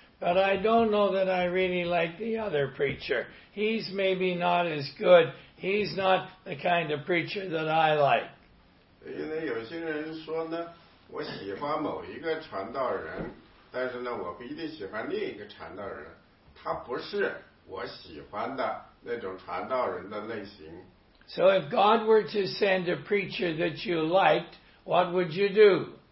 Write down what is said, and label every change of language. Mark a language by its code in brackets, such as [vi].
[en] But I don't know that I really like the other preacher. He's maybe not as good. He's not the kind of preacher that I like. [zh] 因为有些人说呢，我喜欢某一个传道人，但是呢，我不一定喜欢另一个传道人。他不是我喜欢的那种传道人的类型。 [en] So if God were to send a preacher that you liked, what would you do?